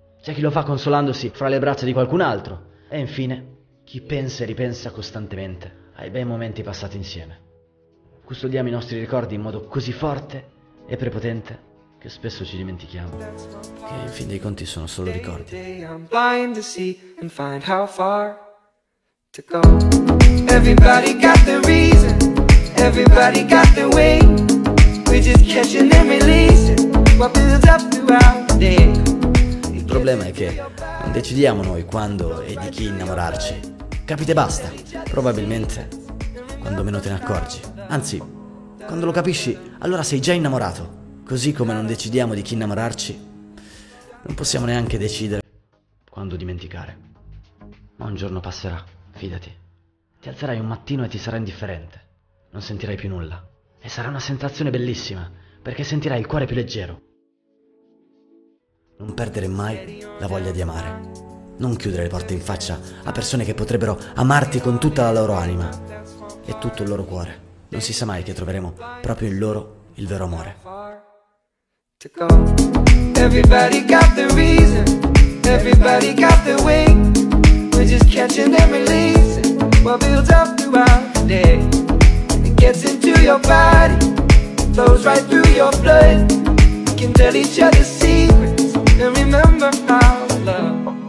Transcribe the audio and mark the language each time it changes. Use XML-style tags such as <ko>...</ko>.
<it>C'è chi lo fa consolandosi fra le braccia di qualcun altro. E infine, chi pensa e ripensa costantemente ai bei momenti passati insieme. Custodiamo i nostri ricordi in modo così forte e prepotente che spesso ci dimentichiamo che in fin dei conti sono solo ricordi.</it> <en>I'm blind to see and find how far to go. Everybody got their reason, everybody got their way. We're just catching and releasing what builds up throughout the day.</en> <it>Il problema è che non decidiamo noi quando e di chi innamorarci. Capite, basta. Probabilmente quando meno te ne accorgi. Anzi, quando lo capisci, allora sei già innamorato. Così come non decidiamo di chi innamorarci, non possiamo neanche decidere quando dimenticare. Ma un giorno passerà, fidati. Ti alzerai un mattino e ti sarà indifferente. Non sentirai più nulla. E sarà una sensazione bellissima, perché sentirai il cuore più leggero. Non perdere mai la voglia di amare. Non chiudere le porte in faccia a persone che potrebbero amarti con tutta la loro anima e tutto il loro cuore. Non si sa mai che troveremo proprio in loro il vero amore.</it> <en>To go. Everybody got their reason, everybody got their way. We're just catching and releasing what builds up throughout the day. It gets into your body, flows right through your blood. We can tell each other secrets and remember our love.</en>